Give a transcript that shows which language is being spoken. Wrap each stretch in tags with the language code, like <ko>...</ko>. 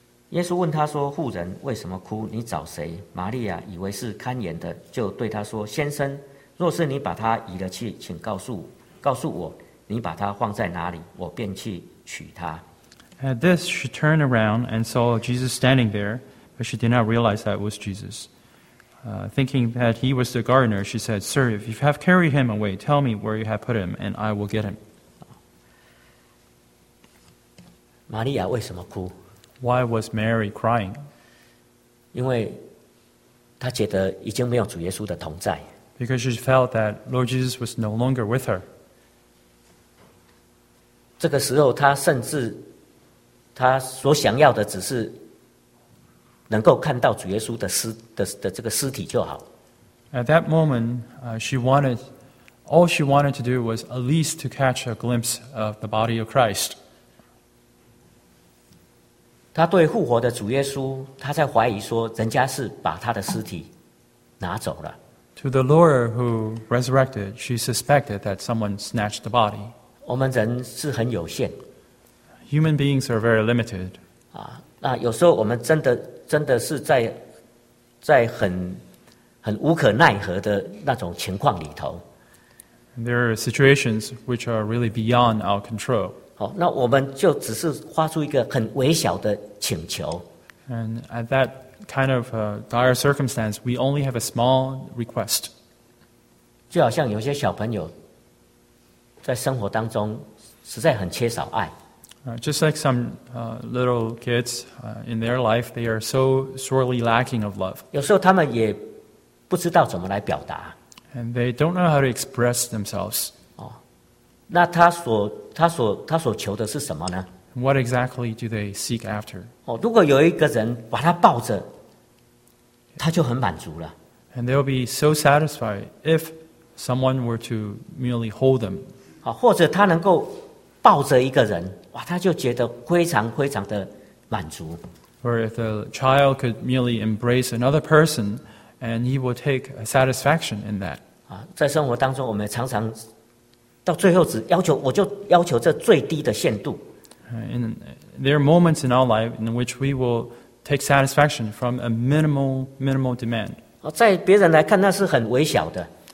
<zh>耶稣问他说，妇人为什么哭？你找谁？玛利亚以为是看眼的，就对他说，先生，若是你把他移了去，请告诉我，你把他放在哪里，我便去取他。</zh> <en>At this, she turned around and saw Jesus standing there, but she did not realize that it was Jesus. Thinking that he was the gardener, she said, Sir, if you have carried him away, tell me where you have put him, and I will get him.</en> <zh>玛利亚为什么哭</zh> <en>？Why was Mary crying？</en> <zh>因为她觉得已经没有主耶稣的同在。</zh> <en>Because she felt that Lord Jesus was no longer with her。</en> <zh>这个时候，她甚至她所想要的只是能够看到主耶稣的这个尸体就好。</zh> <en>At that moment, she wanted to do was at least to catch a glimpse of the body of Christ.</en> <zh>他对复活的主耶稣，他在怀疑说，人家是把他的尸体拿走了。</zh> <en>To the Lord who resurrected, she suspected that someone snatched the body.</en> <zh>我们人是很有限。</zh> <en>Human beings are very limited.</en> <zh>啊，那有时候我们真的是在很无可奈何的那种情况里头。</zh> <en>There are situations which are really beyond our control.</en> <zh>好，那我们就只是发出一个很微小的请求。</zh> <en>And at that kind of dire circumstance, we only have a small request.</en> <zh>就好像有些小朋友在生活当中实在很缺少爱。</zh> <en>Just like some little kids in their life, they are so sorely lacking of love.</en> <zh>有时候他们也不知道怎么来表达。</zh> <en>And they don't know how to express themselves.</en> <zh>那他所求的是什么呢</zh> <en>？What exactly do they seek after？</en> <zh>哦，如果有一个人把他抱着，他就很满足了。</zh> <en>And they'll be so satisfied if someone were to merely hold them。</en> <zh>好，或者他能够抱着一个人，哇，他就觉得非常非常的满足。</zh> <en>Or if a child could merely embrace another person, and he would take a satisfaction in that。</en> <zh>啊，在生活当中，我们常常。到最后只要求，我就要求这最低的限度。</zh> <en>And there are moments in our life in which we will take satisfaction from a minimal demand.</en> <zh>在别人来看，那是很微小的。</zh>